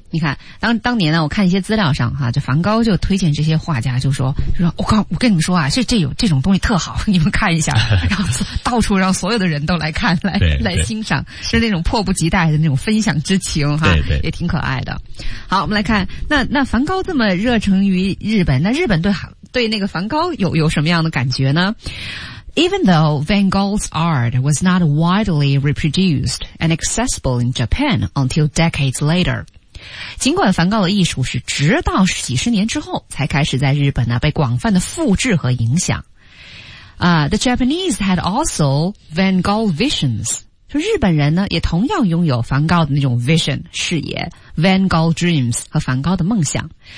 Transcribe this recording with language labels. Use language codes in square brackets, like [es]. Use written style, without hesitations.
[zh] 你看，当年呢，我看一些资料上哈，就梵高就推荐这些画家，就说我靠，我跟你们说啊，这种东西特好，你们看一下，然后到处让所有的人都来看，来欣赏，是那种迫不及待的那种分享之情哈，也挺可爱的。好，我们来看，那梵高这么热诚于日本，那日本对那个梵高有什么样的感觉呢？ [en] Even though Van Gogh's art was not widely reproduced and accessible in Japan until decades later. [zh] 尽管梵高的艺术是直到几十年之后才开始在日本呢被广泛的复制和影响。 [en] The Japanese had also Van Gogh visions. [zh] 说日本人呢也同样拥有梵高的那种 vision, 视野 , [en] Van Gogh dreams [zh] 和梵高的梦想。